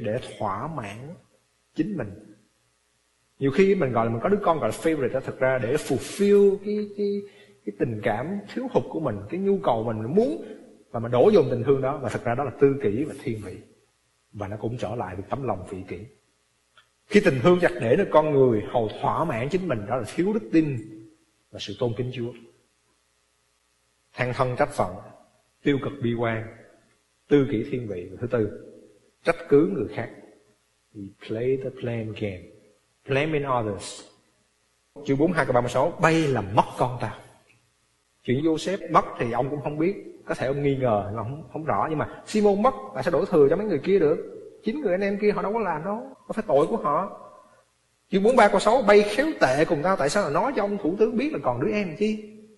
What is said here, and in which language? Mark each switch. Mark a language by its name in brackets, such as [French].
[Vietnamese] Để thỏa mãn chính mình. Nhiều khi mình gọi là mình có đứa con gọi là favorite đó, thật ra để fulfill cái tình cảm thiếu hụt của mình, cái nhu cầu mình muốn, và mình đổ dồn tình thương đó, và thật ra đó là tư kỷ và thiên vị, và nó cũng trở lại được tấm lòng vị kỷ. Khi tình thương chặt để nơi con người hầu thỏa mãn chính mình, đó là thiếu đức tin và sự tôn kính Chúa. Than thân trách phận, tiêu cực bi quan, tư kỷ thiên vị, và thứ tư, trách cứ người khác. [English] We play the blame game, blaming others. [Vietnamese] Chương 42:36, bay là mất con ta. Chuyện Joseph mất thì ông cũng không biết, có thể ông nghi ngờ, không rõ, nhưng mà Simon mất, là sẽ đổ thừa cho mấy người kia được. Chính người anh em kia họ đâu có làm đâu, có phải tội của họ. Chương 43:6, bay khéo tệ cùng tao, tại sao là nói cho ông thủ tướng biết là còn đứa em chi?